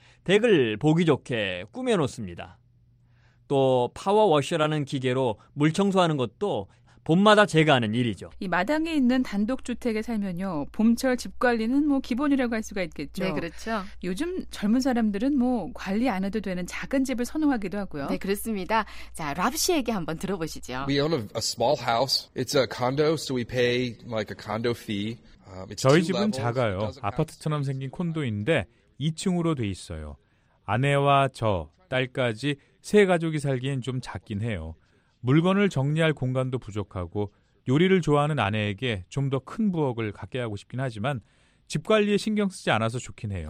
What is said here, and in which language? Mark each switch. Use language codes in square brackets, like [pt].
[ko] 덱을 보기 좋게 꾸며놓습니다. 또 파워워셔라는 기계로 물 청소하는 것도 봄마다 제가 하는 일이죠. 이 마당에 있는 단독주택에 살면요, 봄철 집 관리는 뭐 기본이라고 할 수가 있겠죠. 네, 그렇죠. 요즘 젊은 사람들은 뭐 관리 안 해도 되는 작은 집을 선호하기도 하고요. 네, 그렇습니다. 자, 랍 씨에게 한번 들어보시죠. [en] We own a small house. It's a condo, so we pay like a condo fee. [ko] 저희 집은 작아요. 아파트처럼 생긴 콘도인데 2층으로 돼 있어요. 아내와 저, 딸까지 세 가족이 살기엔 좀 작긴 해요. 물건을 정리할 공간도 부족하고 요리를 좋아하는 아내에게 좀 더 큰 부엌을 갖게 하고 싶긴 하지만 집 관리에 신경 쓰지 않아서 좋긴 해요.